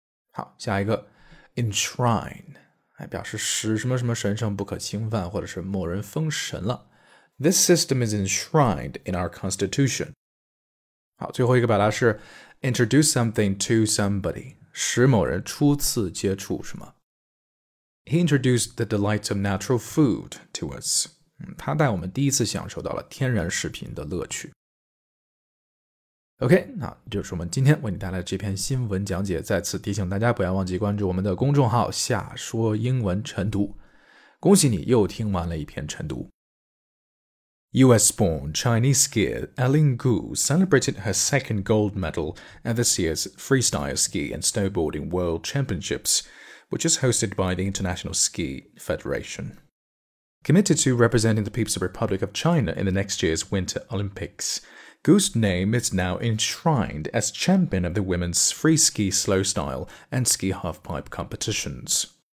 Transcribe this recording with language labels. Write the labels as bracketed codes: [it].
[zh] 好，下一个。Enshrine 表示使什么什么神圣不可侵犯或者是某人封神了。 [en] This system is enshrined in our constitution。 [zh] 好，最后一个表达是 [en] introduce something to somebody， [zh] 使某人初次接触什么。 [en] He introduced the delights of natural food to us、 [zh] 他带我们第一次享受到了天然食品的乐趣。OK， 那就是我们今天为你带来这篇新闻讲解。再次提醒大家不要忘记关注我们的公众号下说英文晨读。恭喜你又听完了一篇晨读。 [en] US-born Chinese skier Aileen Gu celebrated her second gold medal at this year's Freestyle Ski and Snowboarding World Championships, which is hosted by the International Ski Federation. Committed to representing the People's Republic of China in the next year's Winter Olympics,Gu's name is now enshrined as champion of the women's free ski slopestyle and ski halfpipe competitions.